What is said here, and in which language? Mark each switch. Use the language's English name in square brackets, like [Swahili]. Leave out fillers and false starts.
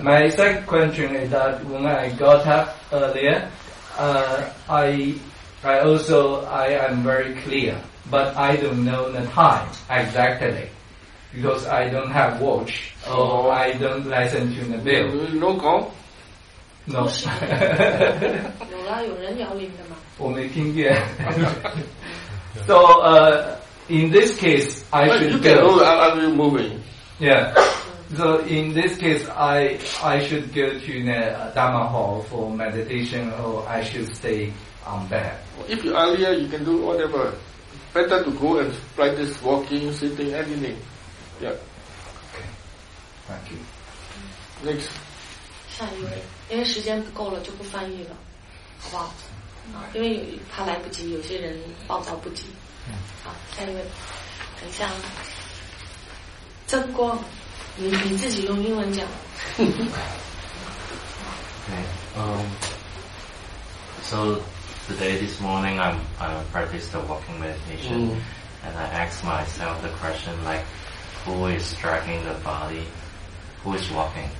[English] My second question is that when I got up earlier, I am very clear, but I don't know the time exactly. Because I don't have watch, or I don't listen to the bell. No call? No. [Chinese] 有啦，有人摇铃的吗？我没听见。 [English] So, in this case, I should go. You can go, I'm moving. Yeah. So, in this case, I should go to the Dharma hall for meditation, or I should stay on bed. If you're earlier, you can do whatever. Better to go and practice walking, sitting, anything. Yeah. Okay. Thank you. Next. [Chinese] 下一位，因为时间不够了，就不翻译了，好不好？啊，因为怕来不及，有些人报道不及。好，下一位，等一下。曾光，你自己用英文讲。 [English] So today, this morning, I practiced the walking meditation, and I asked myself the question like, who is dragging the body? Who is walking?